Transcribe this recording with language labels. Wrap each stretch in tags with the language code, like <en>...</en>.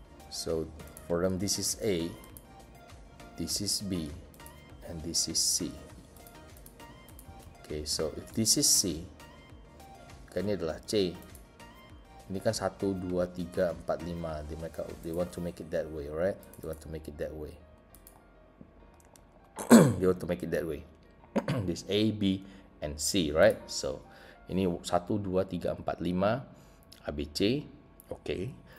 <en>So for them, this is A, this is B, and this is C. Okay, so if this is C,</en> <id>kan ini adalah C. Ini kan 1, 2, 3, 4, 5.</id> <en>They want to make it that way, right? They want to make it that way. They want to make it that way. This A, B, and C, right?</en> <id>So, ini 1, 2, 3, 4, 5. A, B, C. Okay.</id>